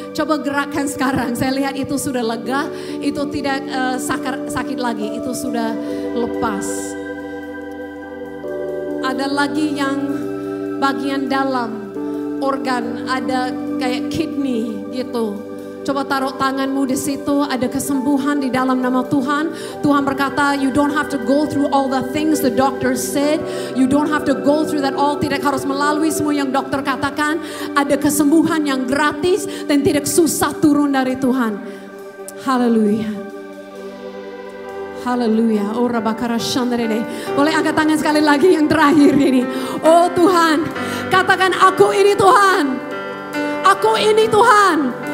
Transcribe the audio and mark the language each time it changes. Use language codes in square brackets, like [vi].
[id] Coba gerakkan sekarang, saya lihat itu sudah lega, itu tidak sakit lagi, itu sudah lepas. Ada lagi yang bagian dalam organ, ada kayak kidney gitu. Coba taruh tanganmu di situ, ada kesembuhan di dalam nama Tuhan. Tuhan berkata, [en] you don't have to go through all the things the doctor said. You don't have to go through that all. [id] Tidak harus melalui semua yang dokter katakan. Ada kesembuhan yang gratis dan tidak susah turun dari Tuhan. Haleluya. Haleluya. Oh Rabakara Shandrede. Boleh angkat tangan sekali lagi yang terakhir ini. Oh Tuhan, katakan aku ini Tuhan. Aku ini Tuhan.